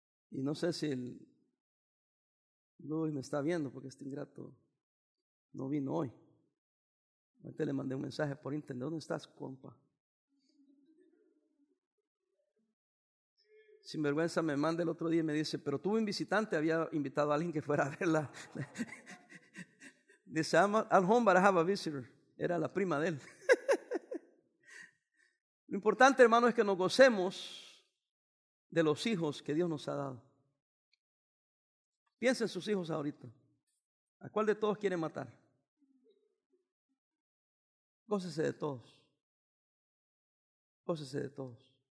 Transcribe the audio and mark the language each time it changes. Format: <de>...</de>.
<es>Y no sé si el Luis me está viendo, porque este ingrato no vino hoy. Ahorita le mandé un mensaje por internet. ¿Dónde estás, compa? Sin vergüenza me manda el otro día y me dice, pero tuve un visitante, había invitado a alguien que fuera a verla. Dice,</es> <en>I'm at home, but I have a visitor.</en> <es>Era la prima de él. Lo importante, hermano, es que nos gocemos de los hijos que Dios nos ha dado. Piensa en sus hijos ahorita. ¿A cuál de todos quiere matar? Gócese de todos. Gócese de todos.</es>